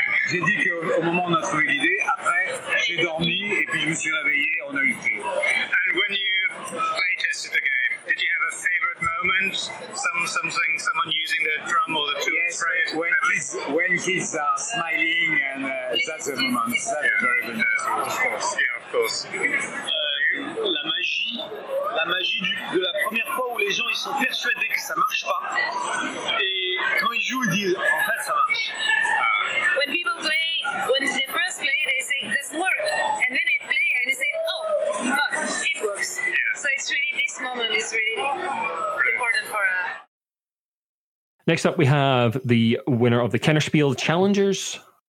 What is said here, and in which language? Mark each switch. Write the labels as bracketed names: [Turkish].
[French] J'ai dit qu'au moment on a trouvé l'idée, après, j'ai dormi, et puis je me suis réveillé, on a eu le prix. [English] And when you play-tested the game, did you have a favorite moment? Something, someone using the drum or the tube? Yes, when kids are smiling, and that's a moment. That's very good. Of course. [French] La magie de la première fois où les gens ils sont persuadés que ça marche pas, et quand ils jouent, ils disent en fait ça marche. [English] When people play, when they first play, they say it doesn't work, and then they play and they say oh, but it works. Yeah. So it's really this moment is really important for us. Next up, we have the winner of the Kennerspiel Challengers.